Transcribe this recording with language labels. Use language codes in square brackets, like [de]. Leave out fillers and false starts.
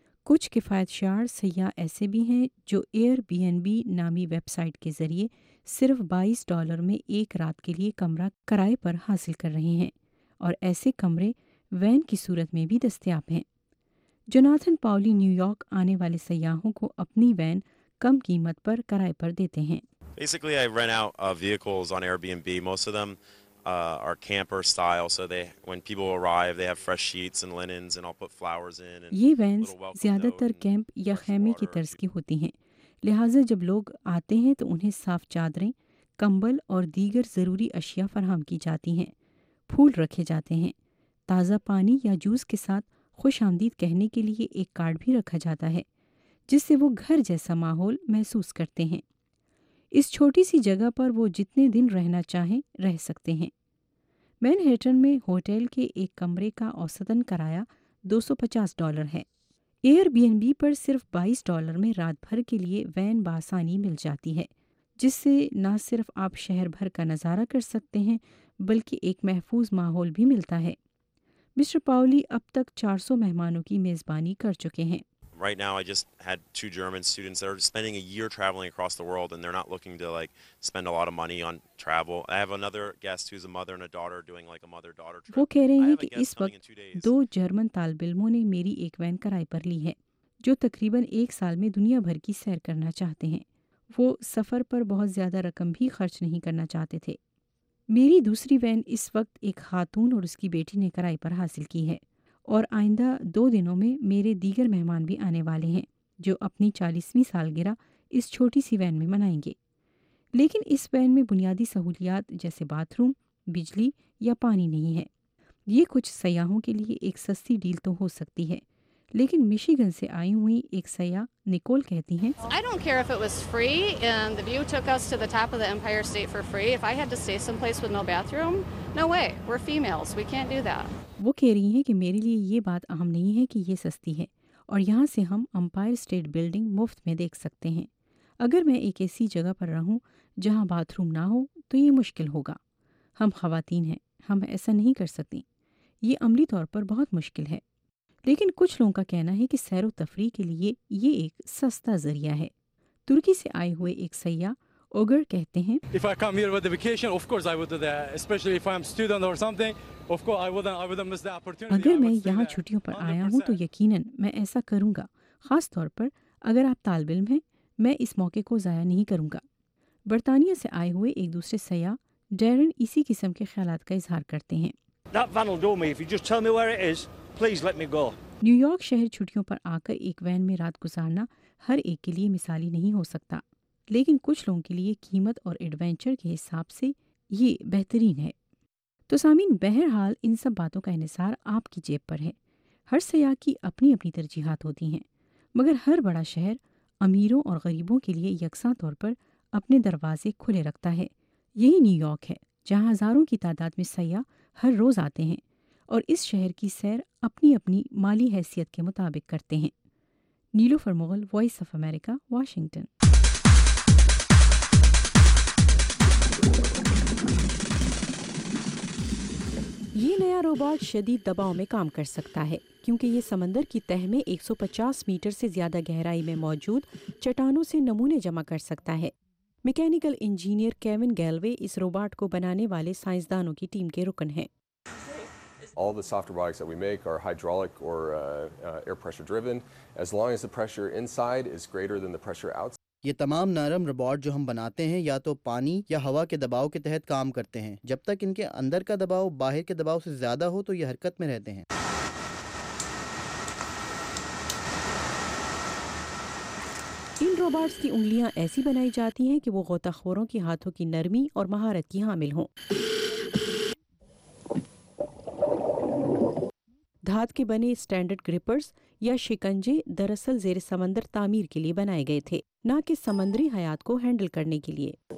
[ur] کچھ کفایت شعار سیاح ایسے بھی ہیں جو ایئر بی این بی نامی ویب سائٹ کے ذریعے صرف $22 میں ایک رات کے لیے کمرہ کرائے پر حاصل کر رہے ہیں، اور ایسے کمرے وین کی صورت میں بھی دستیاب ہیں۔ جوناتھن پاولی نیو یارک آنے والے سیاحوں کو اپنی وین کم قیمت پر کرائے پر دیتے ہیں۔ [en] Basically, I rent out vehicles on Airbnb. Most of them are camper style, so they, when people arrive, they have fresh sheets and linens, and I'll put flowers in. [ur] یہ وینز زیادہ تر camp یا خیمے کی طرز کی ہوتی ہیں، لہٰذا جب لوگ آتے ہیں تو انہیں صاف چادریں، کمبل اور دیگر ضروری اشیاء فراہم کی جاتی ہیں، پھول رکھے جاتے ہیں، تازہ پانی یا جوس کے ساتھ خوش آمدید کہنے کے لیے ایک کارڈ بھی رکھا جاتا ہے۔ جس سے وہ گھر جیسا ماحول محسوس کرتے ہیں۔ اس چھوٹی سی جگہ پر وہ جتنے دن رہنا چاہیں رہ سکتے ہیں۔ مینہٹن میں ہوٹل کے ایک کمرے کا اوسطاً کرایہ $250 ہے۔ ایئر بی این بی پر صرف $22 میں رات بھر کے لیے وین بآسانی مل جاتی ہے، جس سے نہ صرف آپ شہر بھر کا نظارہ کر سکتے ہیں بلکہ ایک محفوظ ماحول بھی ملتا ہے۔ مسٹر پاولی اب تک 400 مہمانوں کی میزبانی کر چکے ہیں۔ [en] Right now I just had two German students that are spending a year traveling across the world and they're not looking to like spend a lot of money on travel. I have another guest who's a mother and a daughter doing like a mother daughter trip. [ur] وہ کہہ رہے ہیں کہ اس وقت دو German طالب علموں نے میری ایک وین کرائے پر لی ہے جو تقریباً ایک سال میں دنیا بھر کی سیر کرنا چاہتے ہیں۔ وہ سفر پر بہت زیادہ رقم بھی خرچ نہیں کرنا چاہتے تھے۔ میری دوسری وین اس وقت ایک خاتون اور اس کی بیٹی نے کرائے پر حاصل کی ہے، اور آئندہ دو دنوں میں میرے دیگر مہمان بھی آنے والے ہیں جو اپنی 40ویں سالگرہ اس چھوٹی سی وین میں منائیں گے۔ لیکن اس وین میں بنیادی سہولیات جیسے باتھ روم، بجلی یا پانی نہیں ہے۔ یہ کچھ سیاحوں کے لیے ایک سستی ڈیل تو ہو سکتی ہے، لیکن مشیگن سے آئی ہوئی ایک سیاح نکول کہتی ہیں، [en] I don't care if it was free and the view took us to the top of the Empire State for free. If I had to stay someplace with no bathroom, no way. We're females. We can't do that. [ur] وہ کہہ رہی ہیں کہ میرے لیے یہ بات اہم نہیں ہے کہ یہ سستی ہے، اور یہاں سے ہم امپائر اسٹیٹ بلڈنگ مفت میں دیکھ سکتے ہیں۔ اگر میں ایک ایسی جگہ پر رہوں جہاں باتھ روم نہ ہو تو یہ مشکل ہوگا۔ ہم خواتین ہیں، ہم ایسا نہیں کر سکتی۔ یہ عملی طور پر بہت مشکل ہے، لیکن کچھ لوگوں کا کہنا ہے کہ سیر و تفریح کے لیے یہ ایک سستا ذریعہ ہے۔ ترکی سے آئے ہوئے ایک سیاح اوگر کہتے ہیں، [en] If I come here with the vacation, of course I would do that. Especially if I'm student or something, of course I wouldn't miss the opportunity. [ur] اگر میں یہاں چھٹیوں پر آیا ہوں تو یقیناً میں ایسا کروں گا، خاص طور پر اگر آپ طالب علم ہیں، میں اس موقع کو ضائع نہیں کروں گا۔ برطانیہ سے آئے ہوئے ایک دوسرے سیاح ڈیرن اسی قسم کے خیالات کا اظہار کرتے ہیں۔ [en] That van will do me. If you just tell me where it is, please let me go. [ur] New York شہر چھٹیوں پر آ کر ایک وین میں رات گزارنا ہر ایک کے لیے مثالی نہیں ہو سکتا، لیکن کچھ لوگوں کے لیے قیمت اور ایڈونچر کے حساب سے یہ بہترین ہے۔ تو سامعین، بہرحال ان سب باتوں کا انحصار آپ کی جیب پر ہے۔ ہر سیاح کی اپنی اپنی ترجیحات ہوتی ہیں، مگر ہر بڑا شہر امیروں اور غریبوں کے لیے یکساں طور پر اپنے دروازے کھلے رکھتا ہے۔ یہی نیو یارک ہے، جہاں ہزاروں کی تعداد میں سیاح ہر روز آتے ہیں اور اس شہر کی سیر اپنی اپنی مالی حیثیت کے مطابق کرتے ہیں۔ نیلوفر Mughal, voice of America, Washington. یہ نیا روبوٹ شدید دباؤ میں کام کر سکتا ہے، کیونکہ یہ سمندر کی تہہ میں 150 میٹر سے زیادہ گہرائی میں موجود چٹانوں سے نمونے جمع کر سکتا ہے۔ میکینیکل انجینئر کیون گیلوے اس روبوٹ کو بنانے والے سائنسدانوں کی ٹیم کے رکن ہیں۔ All the soft robotics that we make are hydraulic or air pressure driven, as long as the pressure inside is greater than the pressure outside. یہ تمام نرم روبوٹ جو ہم بناتے ہیں یا تو پانی یا ہوا کے دباؤ کے تحت کام کرتے ہیں۔ جب تک ان کے اندر کا دباؤ باہر کے دباؤ سے زیادہ ہو تو یہ حرکت میں رہتے ہیں۔ ان روبوٹس کی انگلیاں ایسی بنائی جاتی ہیں کہ وہ غوطہ خوروں کی ہاتھوں کی نرمی اور مہارت کی حامل ہوں۔ دھات کے بنے اسٹینڈرڈ گرپرز یا شکنجے دراصل زیر سمندر تعمیر کے لیے بنائے گئے تھے، نہ کہ سمندری حیات کو ہینڈل کرنے کے لیے۔